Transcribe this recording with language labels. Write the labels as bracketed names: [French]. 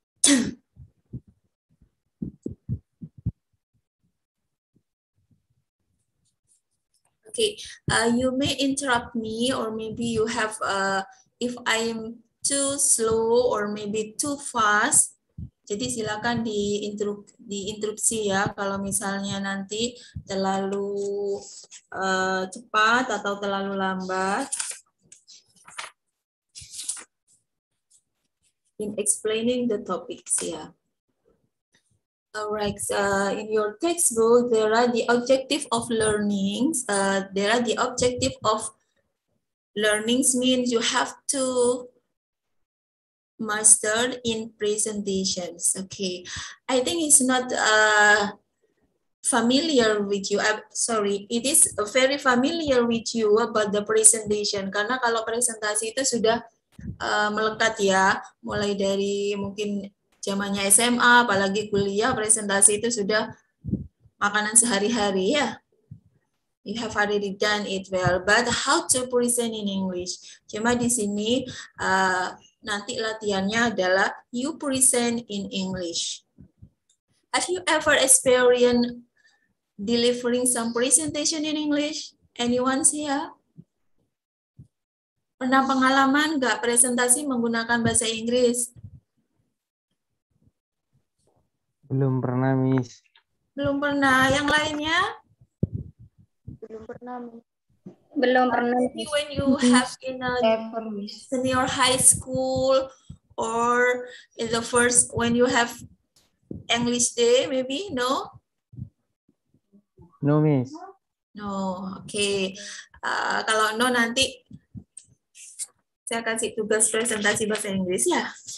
[English] Okay, you may interrupt me, or maybe you have if I'm too slow or maybe too fast. [Indonesian] Jadi silakan diinterupsi ya kalau misalnya nanti terlalu cepat atau terlalu lambat. [English] In explaining the topics, yeah. Alright, in your textbook there are the objective of learnings. There are the objective of learnings means you have to master in presentations. Okay, I think it's not familiar with you. It is very familiar with you about the presentation. [Indonesian] Karena kalau presentasi itu sudah melekat ya, mulai dari mungkin zamannya SMA, apalagi kuliah, presentasi itu sudah makanan sehari-hari ya. [English] You have already done it well, but how to present in English? [Indonesian] Cuma di sini nanti latihannya adalah [English] you present in English. Have you ever experienced delivering some presentation in English? Anyone here? [Indonesian] Pernah pengalaman nggak presentasi menggunakan bahasa Inggris? Belum pernah, Miss. Belum pernah. Yang lainnya? Belum pernah, Miss. Belum pernah. [English] When you have in a senior high school or in the first when you have English day, maybe no. No, Miss. No, okay. [Indonesian] Kalau no nanti saya kasih tugas presentasi bahasa Inggris ya.